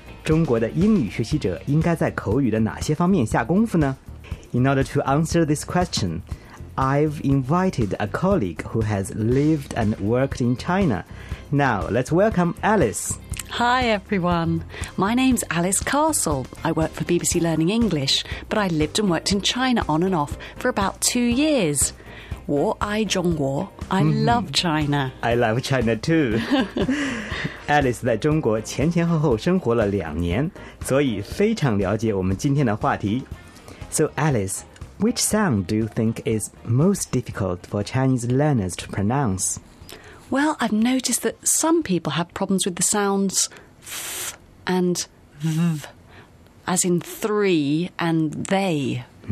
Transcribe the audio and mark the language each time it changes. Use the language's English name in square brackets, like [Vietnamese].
[Chinese] 中国的英语学习者应该在口语的哪些方面下功夫呢？ [English] In order to answer this question,I've invited a colleague who has lived and worked in China. Now, let's welcome Alice. Hi, everyone. My name's Alice Castle. I work for BBC Learning English, but I lived and worked in China on and off for about 2 years. 我爱中国. I love China. I love China too. [Chinese] Alice 在中国前前后后生活了两年，所以非常了解我们今天的话题。 [English] So, Alice,Which sound do you think is most difficult for Chinese learners to pronounce? Well, I've noticed that some people have problems with the sounds th and v, as in three and they.